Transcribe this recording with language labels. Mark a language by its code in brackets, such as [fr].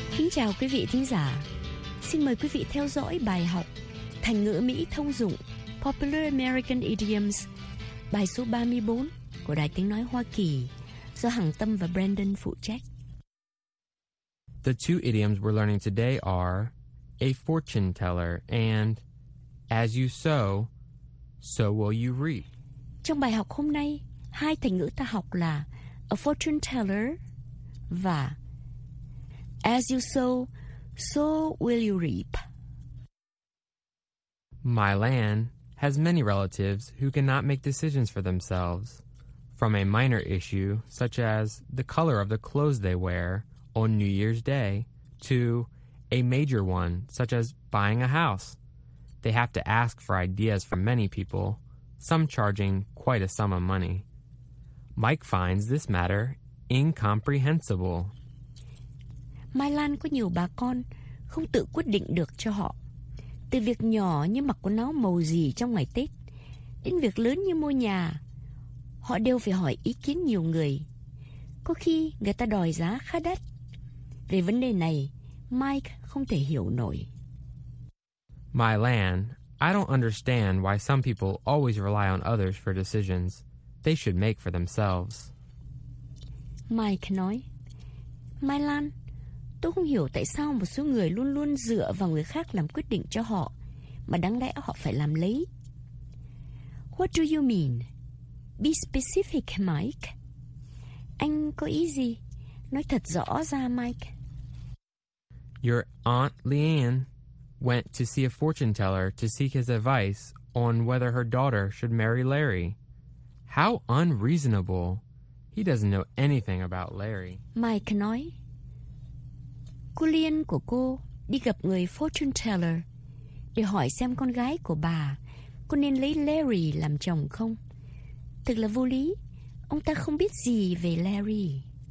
[vi] Chào quý vị thính giả. Xin mời quý vị theo dõi bài học Thành ngữ Mỹ thông dụng [en] Popular American Idioms, [vi] bài số 34 của Đài Tiếng Nói Hoa Kỳ do Hằng Tâm và Brandon phụ trách. [en] The two idioms we're learning today are a fortune teller and as you sow, so will you reap. [vi] Trong bài học hôm nay, hai thành ngữ ta học là [en] a fortune teller [vi] và [en] as you sow, so will you reap. My land has many relatives who cannot make decisions for themselves, from a minor issue such as the color of the clothes they wear on New Year's Day to a major one such as buying a house. They have to ask for ideas from many people, some charging quite a sum of money. Mike finds this matter incomprehensible. [vi] Mai Lan có nhiều bà con không tự quyết định được cho họ, từ việc nhỏ như mặc quần áo màu gì trong ngày Tết đến việc lớn như mua nhà, họ đều phải hỏi ý kiến nhiều người, có khi người ta đòi giá khá đắt. Về vấn đề này, Mike không thể hiểu nổi. [en] Mai Lan, I don't understand why some people always rely on others for decisions they should make for themselves. [vi] Mike nói, Mai Lan, tôi không hiểu tại sao một số người luôn luôn dựa vào người khác làm quyết định cho họ, mà đáng lẽ họ phải làm lấy. [en] What do you mean? Be specific, Mike. [vi] Anh có ý gì? Nói thật rõ ra, Mike. [en] Your aunt Leanne went to see a fortune teller to seek his advice on whether her daughter should marry Larry. How unreasonable. He doesn't know anything about Larry. [vi] Mike nói, cô Liên của cô đi gặp người fortune teller để hỏi xem con gái của bà có nên lấy Larry làm chồng không. Thực là vô lý, ông ta không biết gì về Larry.